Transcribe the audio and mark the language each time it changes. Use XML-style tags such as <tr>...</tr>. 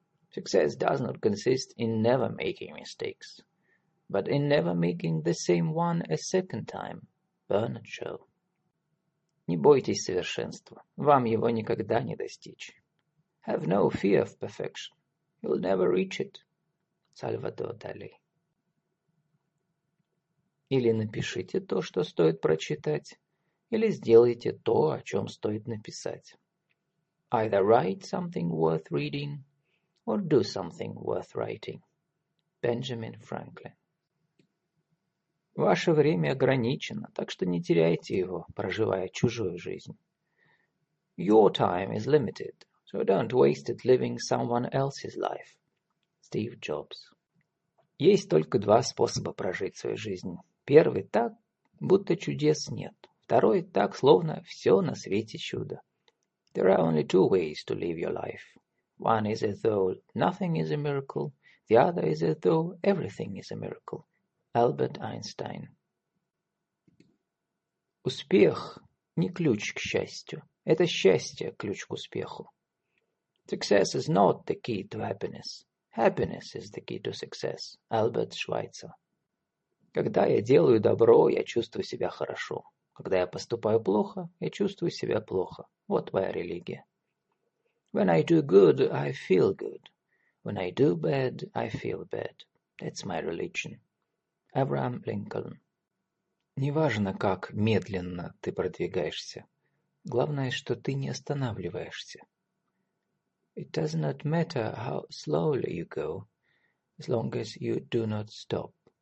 <en>Success does not consist in never making mistakes, but in never making the same one a second time. Bernard Shaw.</en> <ru>Не бойтесь совершенства. Вам его никогда не достичь.</ru> <en>Have no fear of perfection. You'll never reach it.</en> <ru>Сальвадор Дали. Или напишите то, что стоит прочитать, или сделайте то, о чем стоит написать.</ru> <en>Either write something worth reading, or do something worth writing.</en> <ru>Бенджамин Франклин. Ваше время ограничено, так что не теряйте его, проживая чужую жизнь.</ru> <en>Your time is limited, so don't waste it living someone else's life.</en> <ru>Стив Джобс. Есть только два способа прожить свою жизнь. Первый так, будто чудес нет. Второй так, словно все на свете чудо.</ru> <en>There are only two ways to live your life. One is as though nothing is a miracle. The other is as though everything is a miracle.</en> <ru>Альберт Эйнштейн. Успех не ключ к счастью. Это счастье ключ к успеху.</ru> <en>Success is not the key to happiness. Happiness is the key to success.</en> <ru>Альберт Швейцер. Когда я делаю добро, я чувствую себя хорошо. Когда я поступаю плохо, я чувствую себя плохо. Вот твоя религия.</ru> <en>When I do good, I feel good. When I do bad, I feel bad. That's my religion.</en> <ru>Авраам Линкольн. Неважно, как медленно ты продвигаешься. Главное, что ты не останавливаешься.</ru> <en>It does not matter how slowly you go, as long as you do not stop.</en>